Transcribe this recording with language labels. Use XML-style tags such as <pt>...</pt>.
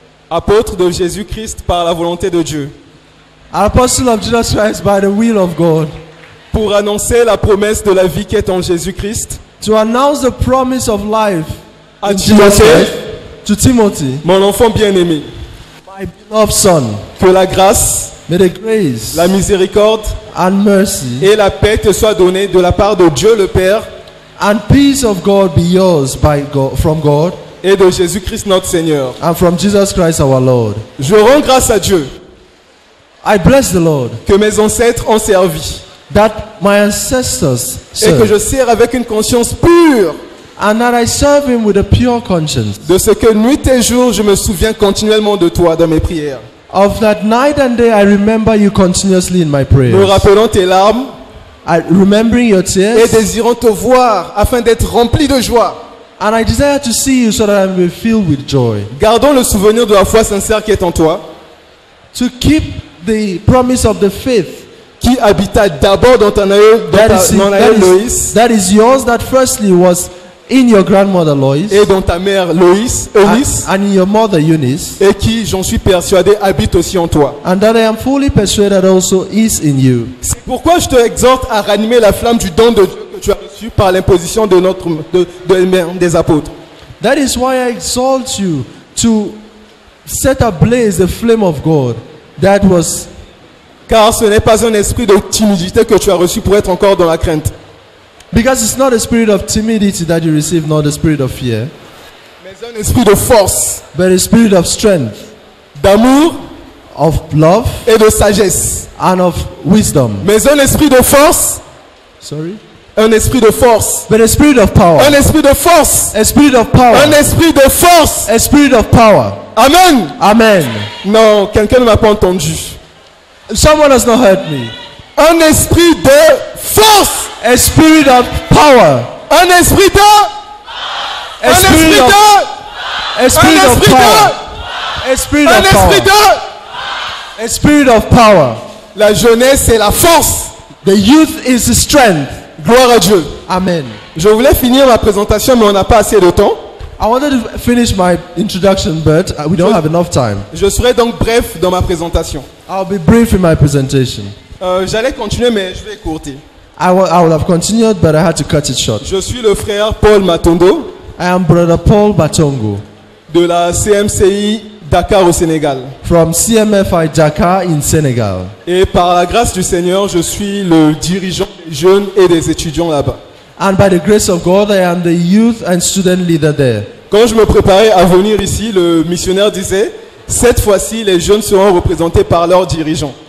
<fr>Apôtre de Jésus-Christ par la volonté de Dieu.</fr> <en>Apostle of Jesus Christ by the will of God.</en> <fr>Pour annoncer la promesse de la vie qui est en Jésus-Christ.</fr> <en>To announce the promise of life</en> <fr>à Timothée,</fr> <en>to Timothy,</en> <fr>mon enfant bien-aimé,</fr> <en>my beloved son,</en> <fr>que la grâce,</fr> <en>may the grace,</en> <fr>la miséricorde,</fr> <en>and mercy,</en> <fr>et la paix te soient données de la part de Dieu le Père,</fr> <en>and peace of God be yours by God, from God,</en> <fr>et de Jésus-Christ notre Seigneur,</fr> <en>and from Jesus Christ our Lord.</en> <fr>Je rends grâce à Dieu,</fr> <en>I bless the Lord,</en> <fr>que mes ancêtres ont servi,</fr> <en>that my ancestors</en> <fr>served, et que je sers avec une conscience pure,</fr> <en>and that I serve him with a pure conscience,</en> <fr>de ce que nuit et jour je me souviens continuellement de toi dans mes prières,</fr> <en>of that night and day I remember you continuously in my prayers,</en> <fr>me rappelant tes larmes,</fr> <en>I, remembering your tears,</en> <fr>et désirant te voir afin d'être rempli de joie,</fr> <en>and I desire to see you so that I may be filled with joy.</en> <fr>Gardons le souvenir de la foi sincère qui est en toi,</fr> <en>to keep the promise of the faith,</en> <fr>qui habita d'abord dans ton aïeul, Loïs.</fr> <en>That is yours, that firstly was in your grandmother Loïs.</en> <fr>Et dans ta mère Loïs, Eunice.</fr> <en>And in your mother Eunice.</en> <fr>Et qui, j'en suis persuadé, habite aussi en toi.</fr> <en>And that I am fully persuaded also is in you.</en> <fr>C'est pourquoi je te exhorte à ranimer la flamme du don de Dieu que tu as reçu par l'imposition de notre des apôtres.</fr> <en>That is why I exhort you to set ablaze the flame of God that was.</en> <fr>Car ce n'est pas un esprit de timidité que tu as reçu pour être encore dans la crainte.</fr> <en>Because it's not a spirit of timidity that you receive, nor the spirit of fear.</en> <fr>Mais un esprit de force.</fr> <en>But a spirit of strength.</en> <fr>D'amour.</fr> <en>Of love.</en> <fr>Et de sagesse.</fr> <en>And of wisdom.</en> <fr>Mais un esprit de force.</fr> <en>Sorry.</en> <fr>Un esprit de force.</fr> <en>But a spirit of power.</en> <fr>Un esprit de force.</fr> <en>A spirit of power.</en> <fr>Un esprit de force.</fr> <en>A spirit of power. Amen. Amen.</en> <fr>Non, quelqu'un ne m'a pas entendu.</fr> <en>Someone has not heard me.</en> <fr>Un esprit de force.</fr> <en>A spirit of power.</en> <fr>Un esprit de.</fr> <en>A spirit of. A spirit of power. A spirit of power. A spirit of power.</en> <fr>La jeunesse est la force.</fr> <en>The youth is the strength.</en> <fr>Gloire à Dieu.</fr> <en>Amen.</en> <fr>Je voulais finir ma présentation, mais on n'a pas assez de temps.</fr> <en>I wanted to finish my introduction, but we don't have enough time.</en> <fr>Je serai donc bref dans ma présentation.</fr> <en>I'll be brief in my presentation.</en> <fr>J'allais continuer, mais je vais écourter.</fr> <en>I would have continued, but I had to cut it short.</en> <fr>Je suis le frère Paul Matondo.</fr> <en>I am Brother Paul Batongo.</en> <fr>De la CMCI Dakar au Sénégal.</fr> <en>From CMFI Dakar in Senegal.</en> <fr>Et par la grâce du Seigneur, je suis le dirigeant des jeunes et des étudiants là-bas.</fr> <en>And by the grace of God, I am the youth and student leader there.</en> <fr>Quand je me préparais à venir ici, le missionnaire disait, cette fois-ci, les jeunes seront représentés par leurs dirigeants.</fr>